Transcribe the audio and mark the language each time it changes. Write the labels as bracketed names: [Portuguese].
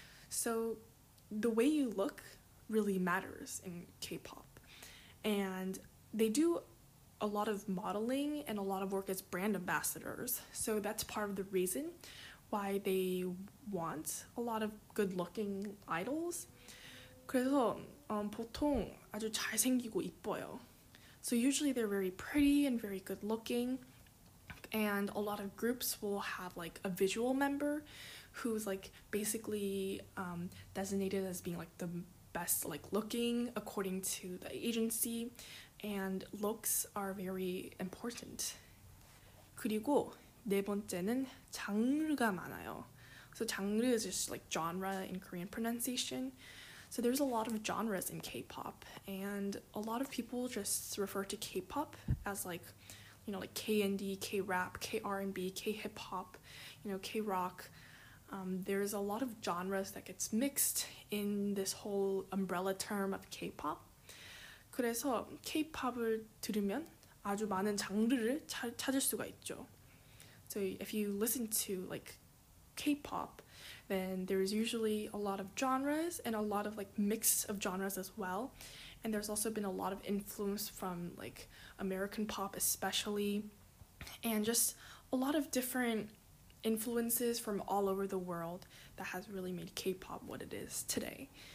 [English] So the way you look really matters in K-pop. And they do a lot of modeling and a lot of work as brand ambassadors. So that's part of the reason why they want a lot of good-looking idols. [Korean] 그래서 보통 아주 잘생기고 이뻐요. [English] So usually they're very pretty and very good-looking. And a lot of groups will have like a visual member who's like basically designated as being like the best like looking according to the agency, and looks are very important. [Korean] 그리고 네 번째는 장르가 많아요. [English] So 장르 is just like genre in Korean pronunciation. So there's a lot of genres in K-pop, and a lot of people just refer to K-pop as like, you know, like K-ND, K-rap, K-R&B, K-hip-hop, you know, K-rock. There's a lot of genres that gets mixed in this whole umbrella term of K-pop. [Korean] 그래서 K-pop을 들으면 아주 많은 장르를 찾을 수가 있죠. [English] So if you listen to like K-pop, then there's usually a lot of genres and a lot of like mix of genres as well. And there's also been a lot of influence from like American pop especially, and just a lot of different influences from all over the world that has really made K-pop what it is today.